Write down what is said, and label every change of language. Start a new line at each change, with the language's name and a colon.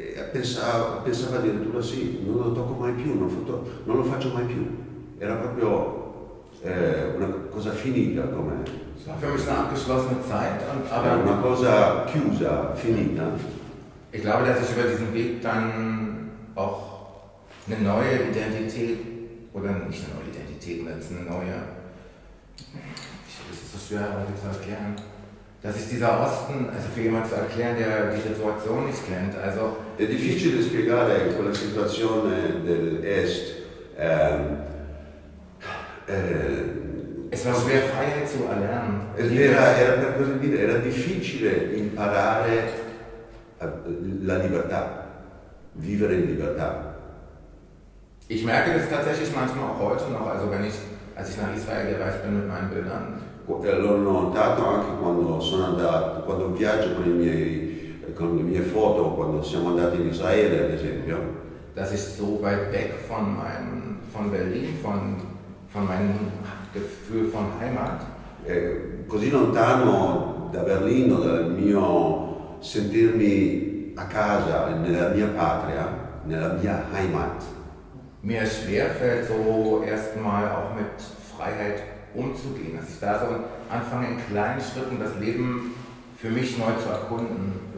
Italian: pensava addirittura sì, non lo tocco mai più, non lo faccio mai più. Era proprio una cosa finita come. Era una cosa chiusa, finita.
German: Ich glaube, dass ich über diesen Weg dann auch eine neue Identität, oder nicht eine neue Identität, sondern eine neue, ich glaube, das ist so schwer heute zu erklären, dass ich dieser Osten, also für jemanden zu erklären, der die Situation nicht kennt, also...
Italian: È difficile spiegare quella situazione dell'Est.
German: Es war schwer, Freiheit zu erlernen.
Italian: Era per così dire, era difficile imparare la libertà, vivere in libertà.
German: Ich merke das tatsächlich manchmal auch heute noch, also wenn ich, als ich nach Israel gereist bin mit meinen Bildern.
Italian: L'ho notato anche quando sono andato, quando viaggio con le mie foto, quando siamo andati in Israele, ad esempio.
German: Dass ich so weit weg von Berlin, von meinem Gefühl von Heimat.
Italian: Così lontano da Berlino, dal mio sentirmi a casa, nella mia patria, nella mia Heimat.
German: Mir schwerfällt so erstmal auch mit Freiheit umzugehen, dass ich da so anfange in kleinen Schritten das Leben für mich neu zu erkunden.